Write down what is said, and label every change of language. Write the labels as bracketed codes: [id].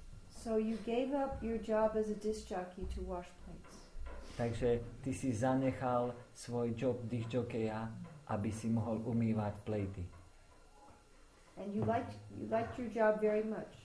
[en] So you gave up your job as a disc jockey to wash plates. [sk] Takže ty si zanechal svoj job disc jockeya, aby si mohol umývať plejty. [en] And you liked your job very much.